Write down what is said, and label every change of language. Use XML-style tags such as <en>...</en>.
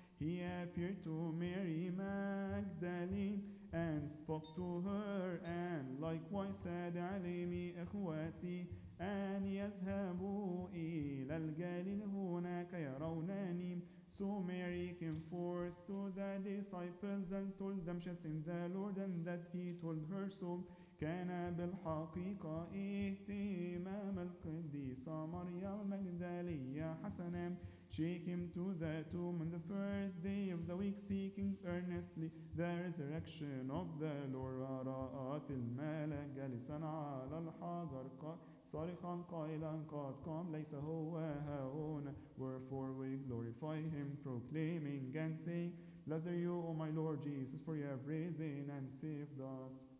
<en>He appeared to Mary Magdalene and spoke to her and likewise said</en> <ar>alimi ikhwati an yazhabu ila al-galil hunaka yarawnani.</ar> <en>So Mary came forth to the disciples and told them she sent the Lord and that he told her so.</en> <ar>كان بالحقيقة اهتمام القديسة مريم المجدلية حسنا.</ar> <en>She came to the tomb on the first day of the week seeking earnestly the resurrection of the Lord.</en> <ar>رأت الملك جالسا على الحجر صارخا قائلا قد قام ليس هو هنا.</ar> <en>Wherefore we glorify him proclaiming and saying blessed are you O my Lord Jesus for you have risen and saved us.</en>